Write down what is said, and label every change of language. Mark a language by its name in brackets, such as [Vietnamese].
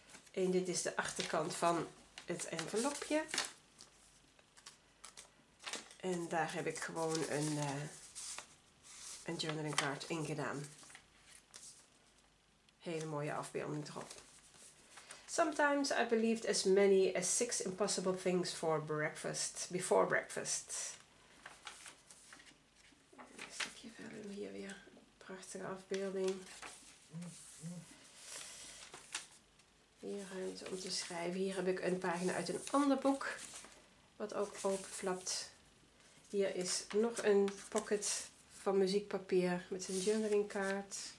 [Dutch] En dit is de achterkant van het envelopje. En daar heb ik gewoon een journaling card in gedaan. Hele mooie afbeelding erop. [English] Sometimes I believed as many as 6 impossible things before breakfast. [Dutch] Een stukje vellum hier weer. Prachtige afbeelding. Hier ruimte om te schrijven. Hier heb ik een pagina uit een ander boek. Wat ook openflapt. Hier is nog een pocket van muziekpapier met een journaling kaart.